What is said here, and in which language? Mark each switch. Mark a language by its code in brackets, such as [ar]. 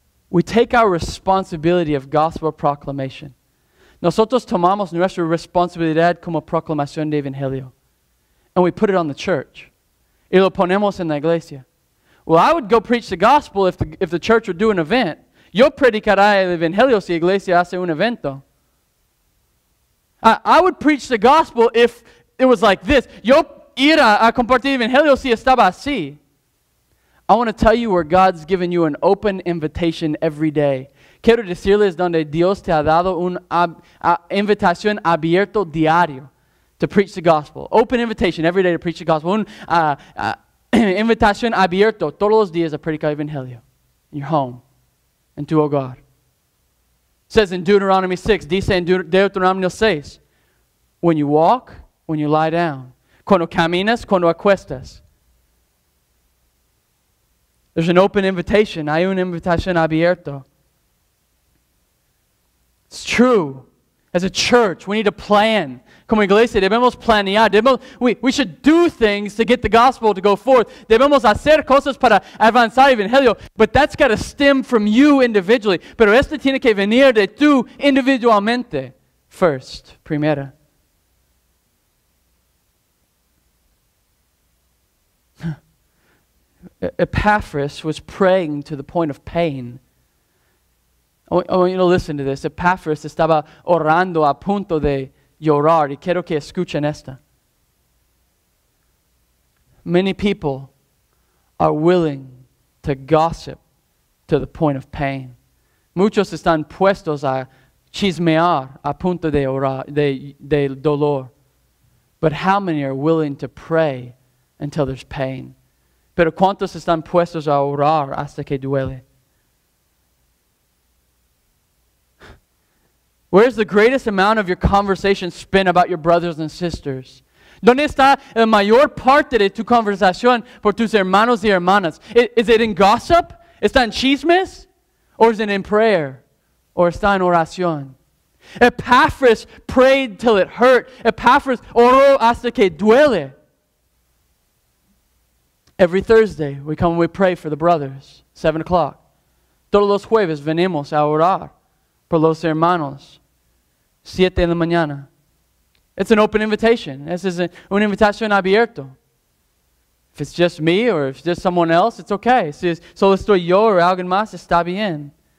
[en] We take our responsibility of gospel proclamation. [es] Nosotros tomamos nuestra responsabilidad como proclamación de evangelio. [en] And we put it on the church. [es] Y lo ponemos en la iglesia. [en] Well, I would go preach the gospel if the church would do an event. [es] Yo predicaré el evangelio si iglesia hace un evento. [en] I would preach the gospel if it was like this. [es] Yo ir a compartir evangelio si estaba así. [en] I want to tell you where God's given you an open invitation every day. [es] Quiero decirles donde Dios te ha dado una invitación abierto diario [en] to preach the gospel. Open invitation every day to preach the gospel. [es] Invitación abierto todos los días a predicar evangelio [en] in your home [es] and to hogar. [en] Says in Deuteronomy 6, [es] dice en Deuteronomy 6, [en] when you walk, when you lie down, [es] cuando caminas, cuando acuestas. [en] There's an open invitation. [es] Hay una invitación abierta. [en] It's true. As a church, we need to plan. [es] Como iglesia, debemos planear. [en] We should do things to get the gospel to go forth. [es] Debemos hacer cosas para avanzar el evangelio. [en] But that's got to stem from you individually. [es] Pero esto tiene que venir de tú individualmente. [en] First, primera. Epaphras was praying to the point of pain. I want you to listen to this. [es] Epaphras estaba orando a punto de llorar. Y quiero que escuchen esta. [en] Many people are willing to gossip to the point of pain. [es] Muchos están puestos a chismear a punto de orar, de dolor. [en] But how many are willing to pray until there's pain? [es] Pero ¿cuántos están puestos a orar hasta que duele? [en] Where's the greatest amount of your conversation spent about your brothers and sisters? [es] ¿Dónde está la mayor parte de tu conversación por tus hermanos y hermanas? [en] Is it in gossip? [es] ¿Está en chismes? [en] ¿Or is it in prayer? ¿Or [es] está en oración? [en] Epaphras prayed till it hurt. [es] Epaphras oró hasta que duele. [en] Every Thursday, we come and we pray for the brothers, 7 o'clock. [es] Todos los jueves venimos a orar por los hermanos, 7 de la mañana. [en] It's an open invitation. This is [es] una invitación abierta. [en] If it's just me or if it's just someone else, it's okay. [es] Si es solo estoy yo o alguien más, está bien.